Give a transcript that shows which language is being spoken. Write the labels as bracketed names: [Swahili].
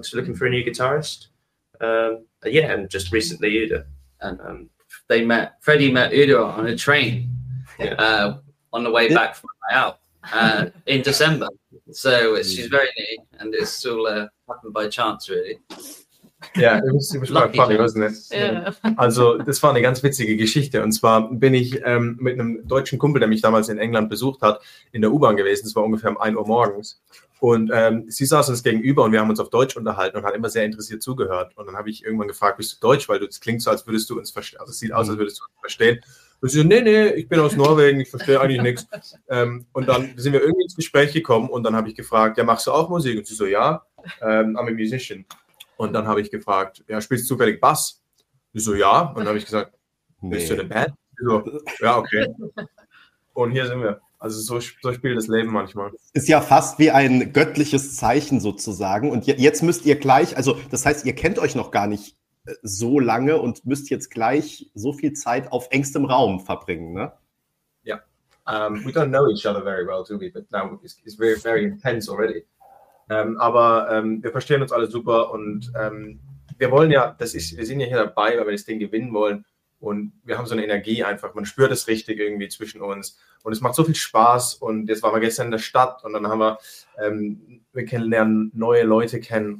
[English] So looking for a new guitarist. And just recently Uda. And Freddie met Uda on a train on the way back from my out in December. So she's very new and it's all happened by chance, really. Yeah, it was quite funny, chance. Wasn't it? Yeah. [German] Also das war eine ganz witzige Geschichte. Und zwar bin ich mit einem deutschen Kumpel, der mich damals in England besucht hat, in der U-Bahn gewesen. Es war ungefähr um 1 Uhr morgens. Und sie saß uns gegenüber und wir haben uns auf Deutsch unterhalten und hat immer sehr interessiert zugehört. Und dann habe ich irgendwann gefragt, bist du Deutsch? Weil es klingt so, als würdest du uns verstehen. Also es sieht aus, als würdest du uns verstehen. Und sie so, nee, ich bin aus Norwegen, ich verstehe eigentlich nichts. Und dann sind wir irgendwie ins Gespräch gekommen und dann habe ich gefragt, ja, machst du auch Musik? Und sie so, ja, [English] I'm a musician. [German] Und dann habe ich gefragt, ja, spielst du zufällig Bass? Sie so, ja. Und dann habe ich gesagt, Nee. Bist du der Bad? So. Ja, okay. Und hier sind wir. Also so spielt das Leben manchmal. Ist ja fast wie ein göttliches Zeichen sozusagen. Und jetzt müsst ihr gleich, also das heißt, ihr kennt euch noch gar nicht so lange und müsst jetzt gleich so viel Zeit auf engstem Raum verbringen, ne? Ja. [English] We don't know each other very well, do we? But now it's very, very intense already. [German] Aber wir verstehen uns alle super und wir wollen ja, wir sind ja hier dabei, weil wir das Ding gewinnen wollen. Und wir haben so eine Energie einfach, man spürt es richtig irgendwie zwischen uns. Und es macht so viel Spaß. Und jetzt waren wir gestern in der Stadt und dann haben wir lernen neue Leute kennen.